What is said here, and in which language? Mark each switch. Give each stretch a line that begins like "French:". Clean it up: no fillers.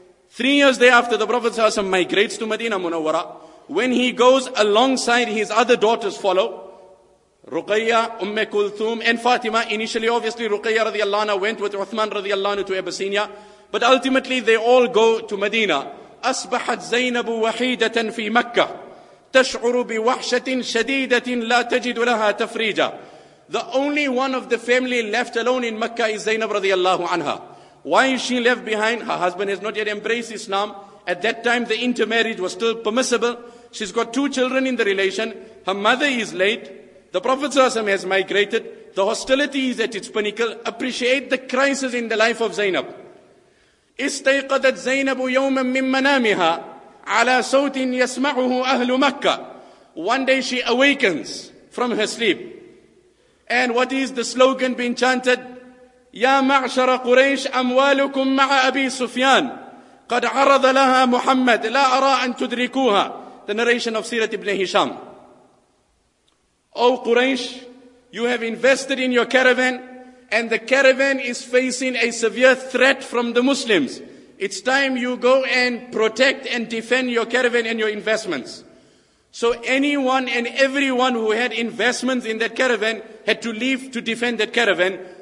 English: 3 years thereafter, the Prophet sallallahu alaihi wasallam migrates to Medina Munawwara. When he goes alongside, his other daughters follow. Ruqayya, Umme Kulthum, and Fatima. Initially, obviously, Ruqayya radiallahu anha went with Uthman radiallahu anha to Abyssinia. But ultimately, they all go to Medina.
Arabic: أصبحت زينب وحيدة في مكة تشعر بوحشة شديدة لا تجد لها تفريجا.
English: The only one of the family left alone in Mecca is Zainab radiallahu anha. Why is she left behind? Her husband has not yet embraced Islam. At that time, the intermarriage was still permissible. She's got two children in the relation. Her mother is late. The Prophet ﷺ has migrated. The hostility is at its pinnacle. Appreciate the crisis in the life of Zainab.
Arabic: استيقظت زينب يوما من منامها على صوت يسمعه أهل مكة.
English: One day she awakens from her sleep. And what is the slogan being chanted?
Arabic: يا معشر قريش أموالكم مع أبي سفيان قد عرض لها محمد لا أرى أن تدركوها.
English: The narration of Sirat ibn Hisham. Oh Quraysh, you have invested in your caravan, and the caravan is facing a severe threat from the Muslims. It's time you go and protect and defend your caravan and your investments. So anyone and everyone who had investments in that caravan had to leave to defend that caravan.